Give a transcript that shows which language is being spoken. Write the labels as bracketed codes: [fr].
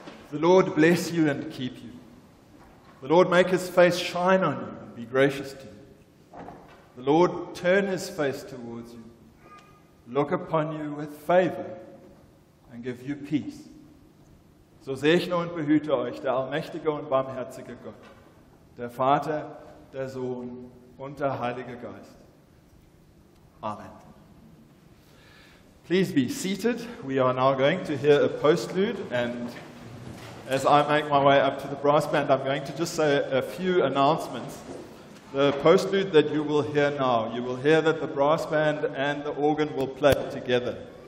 [en] The Lord bless you and keep you. The Lord make His face shine on you and be gracious to you. The Lord turn His face towards you, look upon you with favor, and give you peace. [de] So segne und behüte euch der allmächtige und barmherzige Gott, der Vater, der Sohn und der Heilige Geist. [en] Amen. Please be seated. We are now going to hear a postlude, and as I make my way up to the brass band, I'm going to just say a few announcements. The postlude that you will hear now, you will hear that the brass band and the organ will play together.